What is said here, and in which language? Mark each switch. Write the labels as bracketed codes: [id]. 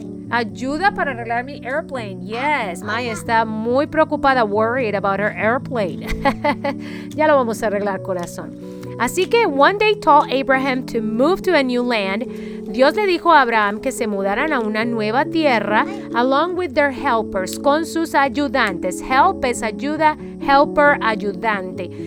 [es] Ayuda para arreglar mi airplane. Yes, Maya está muy preocupada, [en] worried about her airplane. [es] Ya lo vamos a arreglar, corazón. Así que, [en] one day told Abraham to move to a new land. [es] Dios le dijo a Abraham que se mudaran a una nueva tierra, [en] along with their helpers, [es] con sus ayudantes. Help es ayuda, helper, ayudante.